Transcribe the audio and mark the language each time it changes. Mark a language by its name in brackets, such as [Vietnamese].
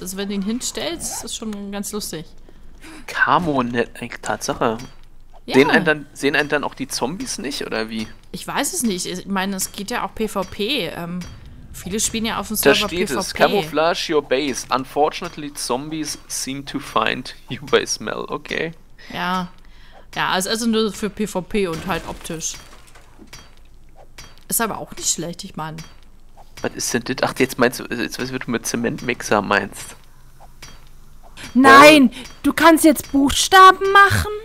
[German] Also, wenn du ihn hinstellst, ist das schon ganz lustig. Camo-Net, Tatsache. Ja. Sehen einen dann auch die Zombies nicht, oder wie? Ich weiß es nicht. Ich meine, es geht ja auch PvP. Viele spielen ja auf dem Server PvP. Da steht PvP. [English] Es. Camouflage your base. Unfortunately, Zombies seem to find you by smell. [German] Okay. Ja. Ja, es ist nur für PvP und halt optisch. Ist aber auch nicht schlecht, ich meine. Was ist denn das? Ach, jetzt meinst du, jetzt weißt du, was du mit Zementmixer meinst. Nein! Du kannst jetzt Buchstaben machen?